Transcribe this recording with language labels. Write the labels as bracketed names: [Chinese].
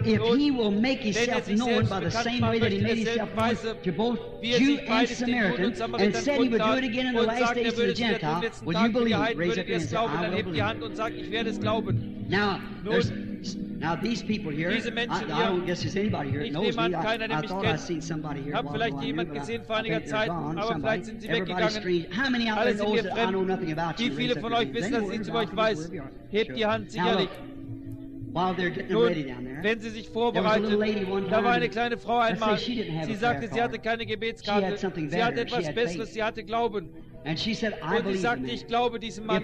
[German] Nun, wenn er sich selbst bekannt macht, wie er sich selbst den Juden und Samaritern und sagt, er würde es in den letzten Tagen der Heiden, würdet ihr es glauben? Dann hebt die Hand und sagt, ich werde es glauben. [English] Now, there's Spirits. Now these people here, [German] diese Menschen hier, [English] I don't guess there's anybody here knows me. [German] Keiner, [English] I thought I'd seen somebody here. [German] Habe vielleicht jemand gesehen vor einiger Zeit, aber vielleicht sind sie weggegangen. [English] How many out there knows that I know nothing about you? [German] Wie viele von euch wissen, dass ich zu euch weiß? Hebt die Hand sicherlich. [English] While they're getting ready down there. [German] Wenn sie sich vorbereitet, da war eine kleine Frau einmal. Sie sagte, sie hatte keine Gebetskarte. Sie hatte etwas Besseres, sie hatte Glauben. [English] And she said, I [German] und sie sagte, ich glaube diesem Mann.